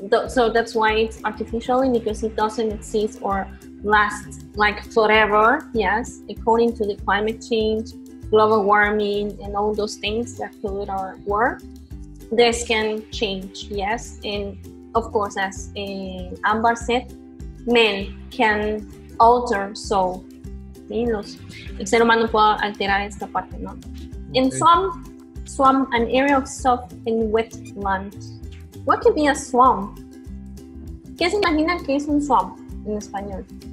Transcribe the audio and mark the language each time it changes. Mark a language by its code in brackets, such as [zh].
[en] So that's why it's artificially, because it doesn't exist or last like forever, yes, according to the climate change, global warming, and all those things that pollute our world. This can change, yes, and of course, as Ambar said, men can alter, so, ¿sí? [es] Los, el ser humano puede alterar esta parte, ¿no? [en] In swamp, swamp, an area of soft and wet land. What could be a swamp? [es] ¿Qué se imagina que es un swamp en español?